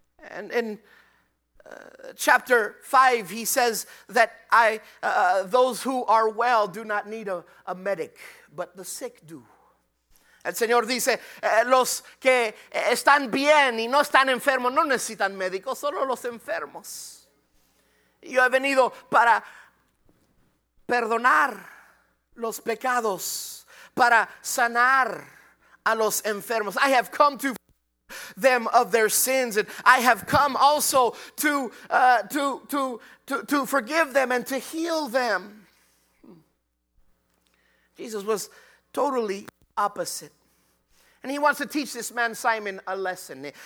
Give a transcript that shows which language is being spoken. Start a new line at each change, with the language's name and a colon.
English: And in chapter 5, he says that those who are well do not need a medic, but the sick do.
Spanish: El Señor dice, los que están bien y no están enfermos no necesitan médicos, solo los enfermos. Yo he venido para perdonar los pecados, para sanar a los enfermos.
English: I have come to them of their sins, and I have come also to forgive them and to heal them. Jesus was totally opposite. And he wants to teach this man Simon a lesson.